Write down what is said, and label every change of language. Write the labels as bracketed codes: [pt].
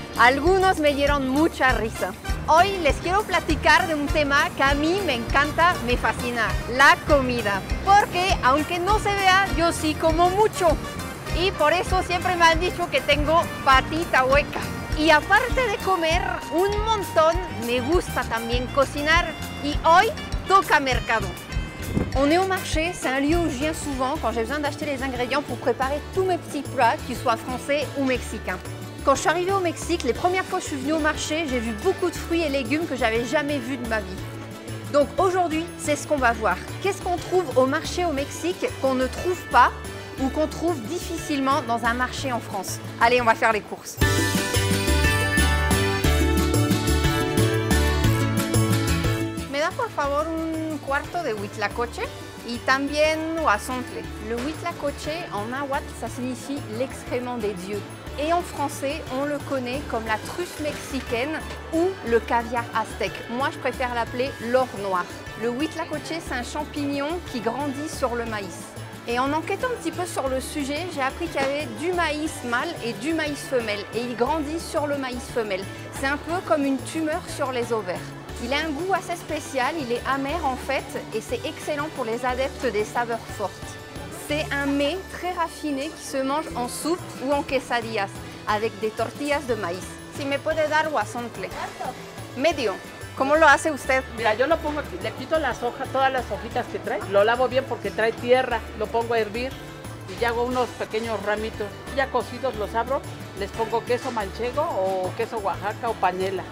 [es] Algunos me dieron mucha risa. Hoy les quiero platicar de un tema que a mí me encanta, me fascina, la comida. Porque aunque no se vea, yo sí como mucho. Y por eso siempre me han dicho que tengo patita hueca. Y aparte de comer un montón, me gusta también cocinar. Y hoy toca mercado. [fr] On est au marché, c'est un lieu où je viens souvent quand j'ai besoin d'acheter les ingrédients pour préparer tous mes petits plats, qu'ils soient français ou mexicains. Quand je suis arrivée au Mexique, les premières fois que je suis venue au marché, j'ai vu beaucoup de fruits et légumes que j'avais jamais vus de ma vie. Donc aujourd'hui, c'est ce qu'on va voir. Qu'est-ce qu'on trouve au marché au Mexique qu'on ne trouve pas ou qu'on trouve difficilement dans un marché en France? Allez, on va faire les courses. [es] Me da por favor un cuarto de huitlacoche y también huasontle. [fr] Le huitlacoche en nahuatl, ça signifie l'excrément des dieux. Et en français, on le connaît comme la truffe mexicaine ou le caviar aztèque. Moi, je préfère l'appeler l'or noir. Le huitlacoche, c'est un champignon qui grandit sur le maïs. Et en enquêtant un petit peu sur le sujet, j'ai appris qu'il y avait du maïs mâle et du maïs femelle. Et il grandit sur le maïs femelle. C'est un peu comme une tumeur sur les ovaires. Il a un goût assez spécial, il est amer en fait, et c'est excellent pour les adeptes des saveurs fortes. C'est un mets très raffiné qui se mange en soupe ou en quesadillas avec des tortillas de maïs. [es] Si me puede dar huasontle. Medio. ¿Cómo lo hace usted? Mira, yo lo pongo aquí, le quito las hojas, todas las hojitas que trae, lo lavo bien porque trae tierra, lo pongo a hervir y ya hago unos pequeños ramitos. Ya cocidos los abro, les pongo queso manchego o queso Oaxaca o panela.